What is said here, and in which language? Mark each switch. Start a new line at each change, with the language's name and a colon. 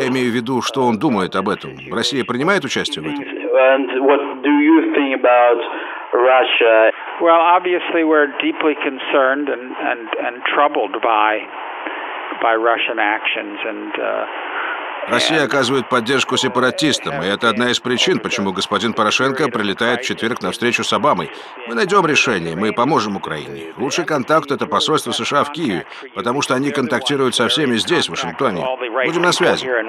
Russian: Я имею в виду, что он думает об этом. Россия принимает участие в этом?
English: And what do you think about Russia? Well, obviously, we're deeply concerned and troubled by Russian actions and.
Russian: Россия оказывает поддержку сепаратистам, и это одна из причин, почему господин Порошенко прилетает в четверг на встречу с Обамой. Мы найдем решение, мы поможем Украине. Лучший контакт – это посольство США в Киеве, потому что они контактируют со всеми здесь, в Вашингтоне. Будем на связи.